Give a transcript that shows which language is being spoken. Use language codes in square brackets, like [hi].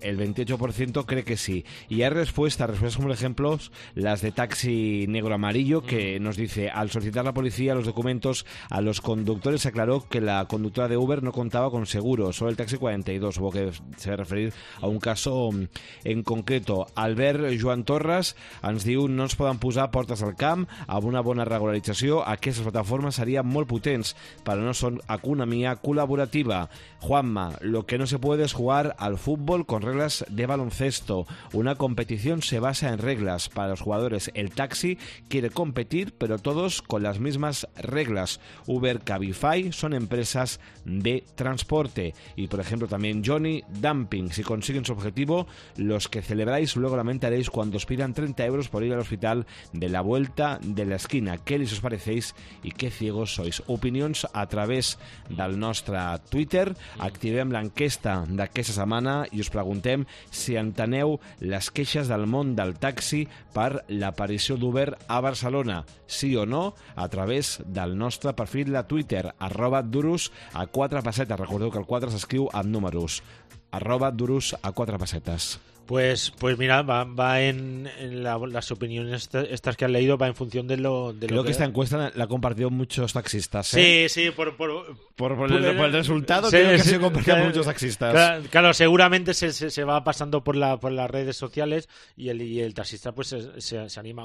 [es] El 28% cree que sí. Y hay respuestas como ejemplos, las de taxi negro amarillo, que nos dice: al solicitar la policía los documentos a los conductores, aclaró que la conductora de Uber no contaba con seguro, solo el taxi 42, supongo que se va a referir a un caso en concreto. [ca] Albert Joan Torres ens diu: no ens poden posar portes al camp, amb una bona regularització, aquestes plataformes serien molt potents, però no són economia col·laborativa. [es] Juanma: lo que no se puede es jugar al fútbol con reglas de baloncesto. Una competición se basa en reglas para los jugadores. El taxi quiere competir, pero todos con las mismas reglas. Uber, Cabify son empresas de transporte. Y, por ejemplo, también Johnny: dumping. Si consiguen su objetivo, los que celebráis luego lamentaréis cuando os pidan 30 euros por ir al hospital de la vuelta de la esquina. ¿Qué les os parecéis y qué ciegos sois? [ca] Opinions a través del nostre Twitter. Activem l'enquesta d'aquesta setmana i us preguntem si enteneu les queixes del món del taxi per l'aparició d'Uber a Barcelona. Sí o no? A través del nostre perfil de Twitter, @durus4pessetes. Recordeu que el 4 s'escriu amb números. @durus4pessetes. [es] Pues mira, va en las opiniones estas que han leído, va en función de lo de creo lo que esta encuesta la compartió muchos taxistas, ¿eh? Sí, por el resultado, sí, creo que se compartió muchos taxistas. Claro, seguramente se va pasando por las redes sociales y el taxista pues se anima.